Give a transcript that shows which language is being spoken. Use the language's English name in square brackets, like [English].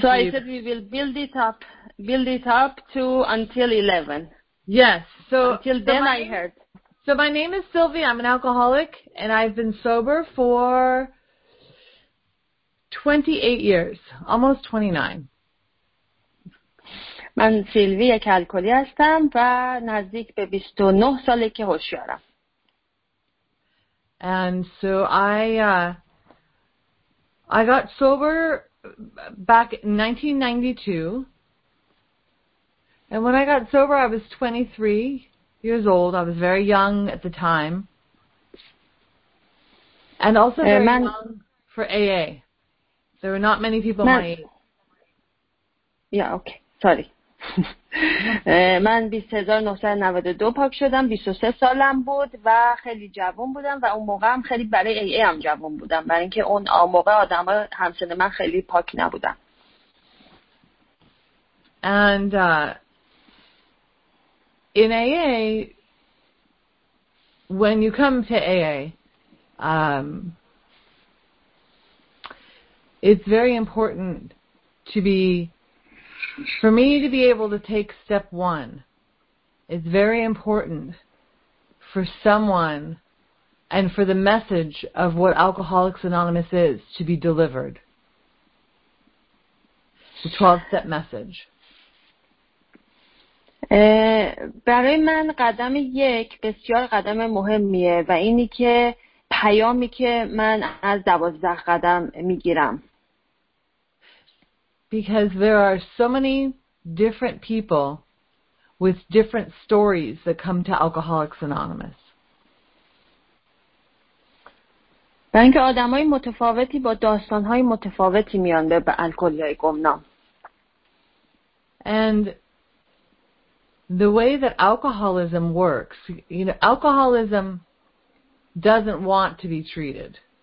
[English] So I said we will build it up to until 11. Yes. So until then, I heard. So my name is Sylvie. I'm an alcoholic, and I've been sober for 28 years, almost 29. [Persian] من سیلوی یک الکلی هستم و نزدیک به 29 ساله که هوشیارم. [English] And so I got sober back in 1992. And when I got sober, I was 23 years old. I was very young at the time. And also very young for AA. There were not many people my age. Yeah, okay. Sorry. [Persian] من 1992 پاک شدم. 23 سالم بود و خیلی جوان بودم و اون موقع هم خیلی برای ای ای هم جوان بودم، برای اینکه اون موقع آدم ها همسن من خیلی پاک نبودم. [English] And in AA, when you come to AA, it's very important for me to be able to take step one. It's very important for someone and for the message of what Alcoholics Anonymous is to be delivered. The 12-step message. [Persian] برای من قدم یک بسیار قدم مهمیه و اینی که پیامی که من از 12 قدم میگیرم. [English] Because there are so many different people with different stories that come to Alcoholics Anonymous. [Persian] بنک آدمای متفاوتی با داستان‌های متفاوتی میان به الکلی‌های گمنام. [English] And the way that alcoholism works, you know, alcoholism doesn't want to be treated.